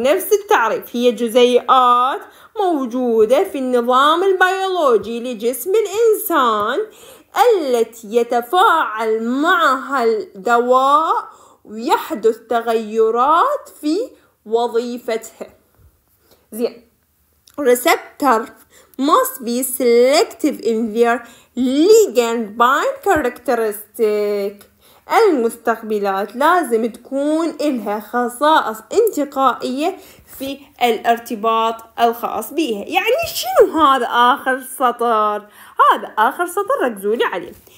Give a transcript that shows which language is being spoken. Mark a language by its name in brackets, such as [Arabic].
[Arabic] نفس التعريف، هي جزيئات موجوده في النظام البيولوجي لجسم الانسان التي يتفاعل معها الدواء ويحدث تغيرات في وظيفتها. زين، [English] receptor must be selective in their ligand bind characteristic. [Arabic] المستقبلات لازم تكون لها خصائص انتقائية في الارتباط الخاص بها. يعني شنو هذا آخر سطر؟ هذا آخر سطر، ركزوا لي عليه.